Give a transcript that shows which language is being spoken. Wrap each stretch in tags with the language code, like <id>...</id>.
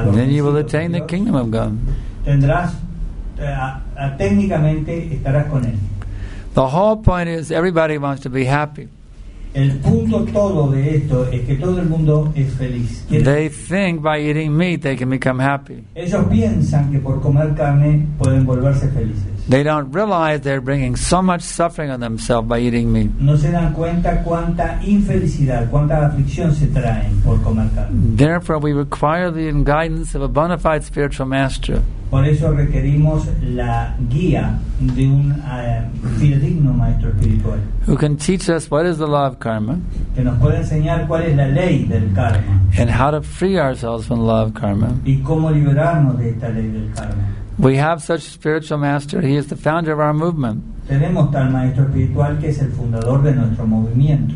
<en>then you will attain Dios, the kingdom of God.</en> <es>Tendrás técnicamente estarás con él.</es> <en>The whole point is everybody wants to be happy.</en> <es>El punto todo de esto es que todo el mundo es feliz.</es> <en>They think by eating meat they can become happy.</en> <es>Ellos piensan que por comer carne pueden volverse felices.</es> <en>They don't realize they're bringing so much suffering on themselves by eating meat.</en> <es>No se dan cuenta cuánta infelicidad, cuánta aflicción se traen por comer carne.</es> <en>Therefore, we require the guidance of a bona fide spiritual master.</en> <es>Por eso requerimos la guía de un fidedigno maestro espiritual.</es> <en>Who can teach us what is the law of karma?</en> <es>Que nos puede enseñar cuál es la ley del karma.</es> <en>And how to free ourselves from the law of karma.</en> <es>Y cómo liberarnos de esta ley del karma.</es> <en>We have such a spiritual master. He is the founder of our movement.</en> <es>Tenemos tal maestro espiritual que es el fundador de nuestro movimiento.</es>